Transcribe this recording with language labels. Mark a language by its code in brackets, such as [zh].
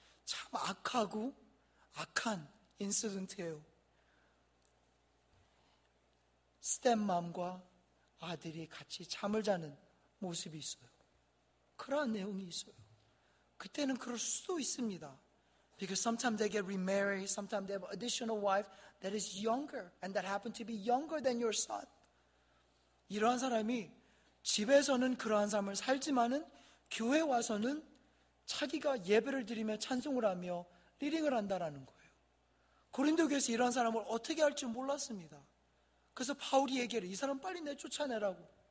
[ko] 참 악하고 악한 인시던트예요. 스텝맘과 아들이 같이 잠을 자는 모습이 있어요. 그러한 내용이 있어요. 그때는 그럴 수도 있습니다. [en] Because sometimes they get remarried, sometimes they have additional wife that is younger and that happened to be younger than your son. [ko] 이러한 사람이 집에서는 그러한 삶을 살지만은 교회 와서는 자기가 예배를 드리며 찬송을 하며 리딩을 한다라는 거예요. 고린도교에서 이러한 사람을 어떻게 할지 몰랐습니다. 그래서 바울이 얘기를 이 사람 빨리 내 쫓아내라고.